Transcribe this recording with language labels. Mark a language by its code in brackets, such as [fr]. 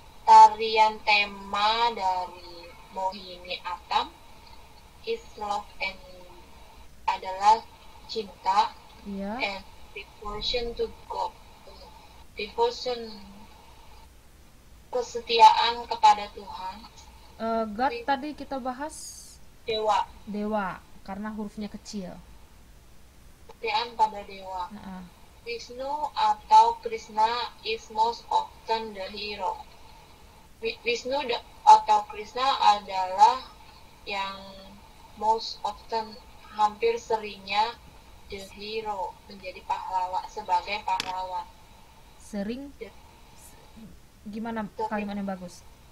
[id] Tarian tema dari Mohini Atam [en] is love and [id] adalah cinta, yeah. [en] And devotion to God. Devotion, [id] kesetiaan kepada Tuhan. God tadi kita bahas dewa. Dewa karena hurufnya kecil. Kesetiaan pada dewa. Uh-huh. [en] Vishnu atau Krishna is most often the hero. [id] Vishnu atau Krishna adalah yang [en] most often [id] hampir seringnya [en] the hero, [id] menjadi pahlawan, sebagai pahlawan. Sering? Gimana kalimat yang bagus?